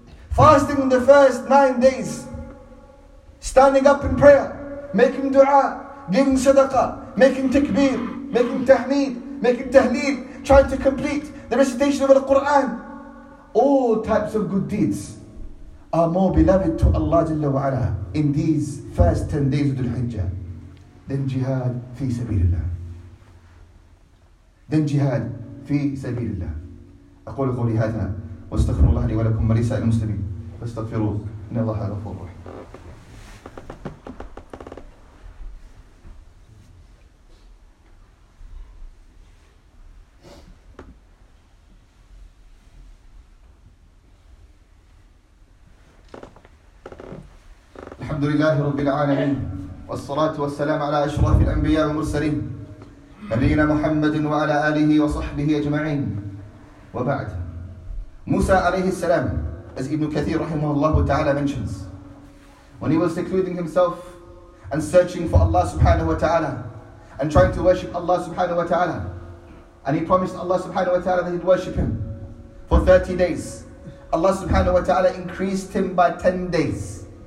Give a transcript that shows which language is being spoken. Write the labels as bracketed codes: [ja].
[en] Fasting on the first 9 days, standing up in prayer, making dua, giving sadaqah, making takbir, making tahmeed, making tahleel, trying to complete the recitation of the Quran. All types of good deeds are more beloved to Allah Jalla wa'ala in these first 10 days of Dhul Hijjah than jihad fi sabilillah. Then jihad fi sabilillah. [ar] أقول قولي هذا واستغفر الله لي ولكم ولسائر المسلمين فاستغفروه إن الله غفور رحيم. الحمد لله رب العالمين والصلاة والسلام على أشرف الأنبياء والمرسلين نبينا محمد وعلى آله وصحبه أجمعين وبعد. [en] موسى عليه السلام, as Ibn Kathir rahimahullah ta'ala mentions, when he was secluding himself and searching for Allah subhanahu wa ta'ala and trying to worship Allah subhanahu wa ta'ala, and he promised Allah subhanahu wa ta'ala that he'd worship him for 30 days, Allah subhanahu wa ta'ala increased him by 10 days.